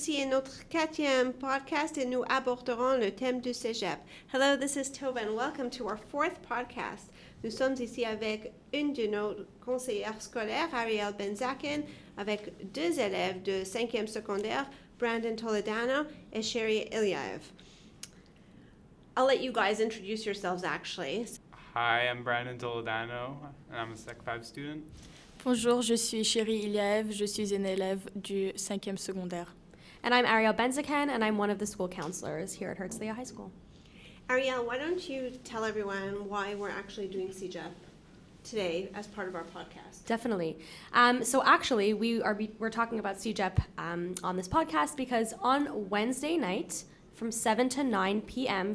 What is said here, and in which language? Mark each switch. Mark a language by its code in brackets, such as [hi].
[fr] notre quatrième podcast et nous aborderons le thème du cégep. [en] Hello, this is Tova and welcome to our fourth podcast. [fr] Nous sommes ici avec une de nos conseillères scolaires, Arielle Benzaken, avec deux élèves de 5e secondaire, Brandon Toledano et Sherry Ilyaev. [en] I'll let you guys introduce yourselves, actually. Hi, I'm Brandon Toledano, and I'm a Sec 5 student. [fr] Bonjour, je suis Sherry Ilyaev, je suis une élève du 5e secondaire. [en] And I'm Arielle Benzaken, and I'm one of the school counselors here at Herzliya High School. Arielle, why don't you tell everyone why we're actually doing CGEP today as part of our podcast? Definitely. So actually, we're talking about CGEP on this podcast because on Wednesday night, from 7 to 9 p.m.